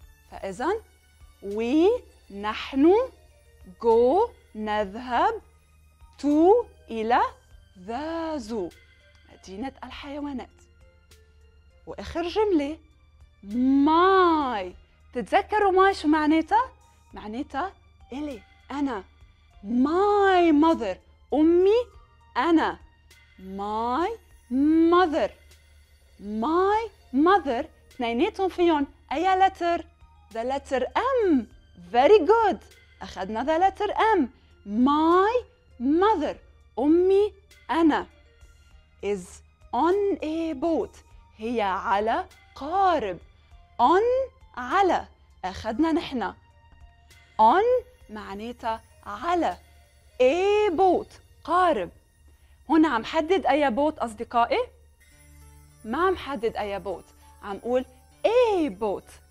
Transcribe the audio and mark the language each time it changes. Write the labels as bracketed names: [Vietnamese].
[Arabic] فإذا [English] we [Arabic] نحن [English] go [Arabic] نذهب [English] to [Arabic] إلى [English] the zoo [Arabic] مدينة الحيوانات. وآخر جملة my. تتذكروا my شو معناتها؟ معناتها إلي أنا. [English] My mother [Arabic] أمي أنا. [English] My mother. My mother [Arabic] اثنيناتهم فيهم أي [English] letter؟ The letter M. Very good. أخذنا the letter M. My mother [Arabic] أمي أنا. [English] Is on a boat [Arabic] هي على قارب. on على أخذنا نحنا. on معناتها على. [English] a boat قارب. [Arabic] هنا عم حدد أي بوت أصدقائي؟ ما عم حدد أي بوت، عم قول a boat.